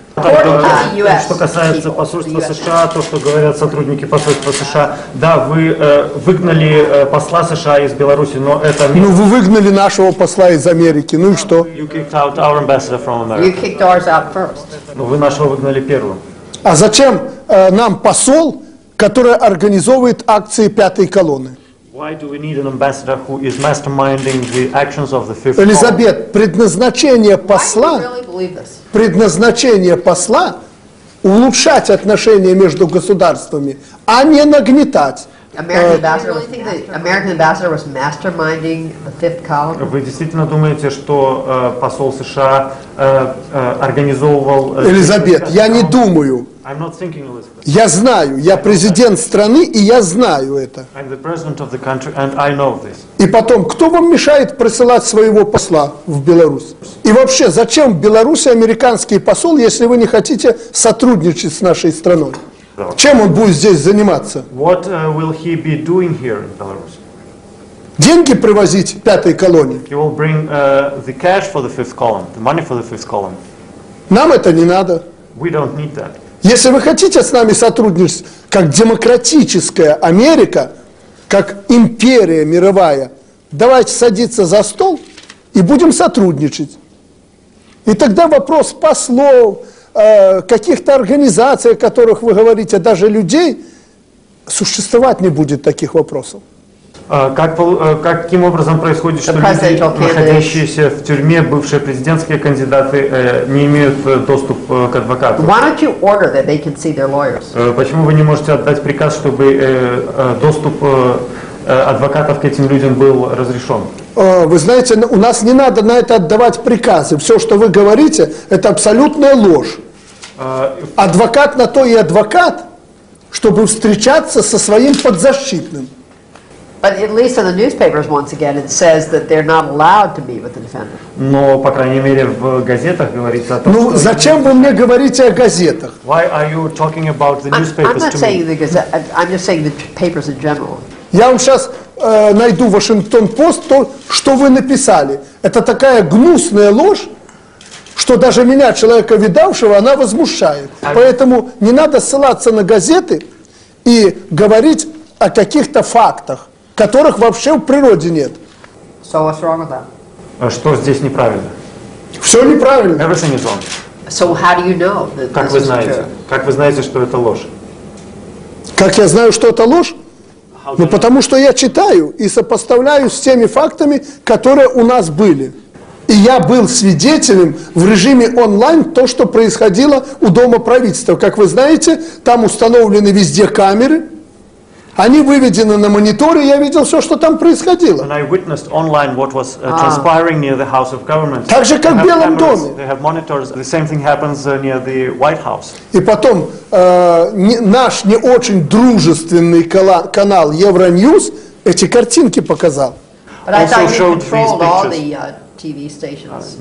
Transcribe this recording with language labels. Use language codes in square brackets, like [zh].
[ru] Что касается посольства США, то, что говорят сотрудники посольства США, да, вы выгнали посла США из Беларуси, но это... Ну, вы выгнали нашего посла из Америки, ну и что? [en] You kicked out our ambassador from America. You kicked ours out first. [ru] Ну, вы нашего выгнали первым. А зачем нам посол, который организовывает акции пятой колонны? [en] Why do we need an ambassador who is masterminding the actions of the fifth? [ru] Элизабет, предназначение посла, предназначение посла улучшать отношения между государствами, а не нагнетать. [en] American ambassador was masterminding the fifth column. [ru] Вы действительно думаете, что посол США организовывал? Элизабет, я не думаю. [en] I'm not thinking, Elizabeth. [ru] Я знаю, я президент страны, и я знаю это. [en] I'm the president of the country, and I know this. [ru] И потом, кто вам мешает присылать своего посла в Беларусь? И вообще, зачем в Беларуси американский посол, если вы не хотите сотрудничать с нашей страной? Чем он будет здесь заниматься? [en] What will he be doing here in Belarus? [ru] Деньги привозить пятой колонии? [en] He will bring the cash for the fifth column, the money for the fifth column. [ru] Нам это не надо. [en] We don't need that. [ru] Если вы хотите с нами сотрудничать, как демократическая Америка, как империя мировая, давайте садиться за стол и будем сотрудничать. И тогда вопрос послов, каких-то организаций, о которых вы говорите, даже людей, существовать не будет таких вопросов. Каким образом происходит, что люди, находящиеся в тюрьме, бывшие президентские кандидаты, не имеют доступ к адвокату? [en] Why don't you order that they can see their lawyers? [ru] Почему вы не можете отдать приказ, чтобы доступ адвокатов к этим людям был разрешен? Вы знаете, у нас не надо на это отдавать приказы. Все, что вы говорите, это абсолютная ложь. Адвокат на то и адвокат, чтобы встречаться со своим подзащитным. [en] But at least in the newspapers, once again, it says that they're not allowed to be with the defendant. [ru] Но, по крайней мере, в газетах говорится о том, что... Ну, зачем вы мне говорите о газетах? [en] Why are you talking about the newspapers to me? I'm not saying the gazette. I'm just saying the papers in general. [ru] Я вам сейчас найду Washington Post, то, что вы написали. Это такая гнусная ложь, что даже меня, человека видавшего, она возмущает. Поэтому не надо ссылаться на газеты и говорить о каких-то фактах, которых вообще в природе нет. [en] So what's wrong with that? [ru] Что здесь неправильно? Все неправильно. [en] Everything is wrong. So how do you know that this is true? [ru] Как вы знаете? Как вы знаете, что это ложь? Как я знаю, что это ложь? Ну, потому что я читаю и сопоставляю с теми фактами, которые у нас были. И я был свидетелем в режиме онлайн то, что происходило у Дома правительства. Как вы знаете, там установлены везде камеры. Они выведены на мониторы, я видел все, что там происходило. [en] And I witnessed online what was transpiring near the House of Government. [ru] Так же, как в Белом доме. [en] They have monitors. The same thing happens near the White House. [ru] И потом наш не очень дружественный канал Euronews эти картинки показал. [en] But also I thought showed you controlled all the TV stations.